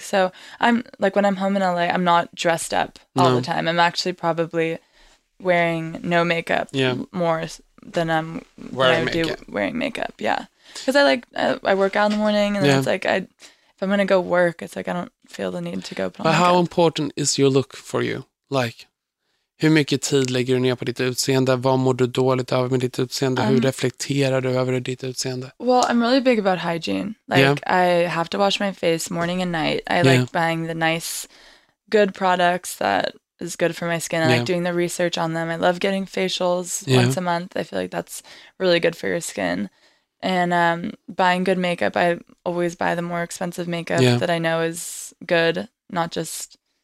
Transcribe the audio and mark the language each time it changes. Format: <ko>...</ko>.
<en>So I'm like, when I'm home in LA, I'm not dressed up all the time. I'm actually probably wearing no makeup more than I'm wearing makeup. Yeah. Because I like, I work out in the morning and then it's like, if I'm going to go work, it's like, I don't feel the need to go put on makeup. But how important is your look for you?</en> <sv>Like, hur mycket tid lägger du ner på ditt utseende? Vad mår du dåligt över med ditt utseende? Hur reflekterar du över ditt utseende?</sv> <en>Well, I'm really big about hygiene. Like, I have to wash my face morning and night. I like buying the nice, good products that is good for my skin. I like doing the research on them. I love getting facials once a month. I feel like that's really good for your skin. And buying good makeup, I always buy the more expensive makeup that I know is good, not just...</en>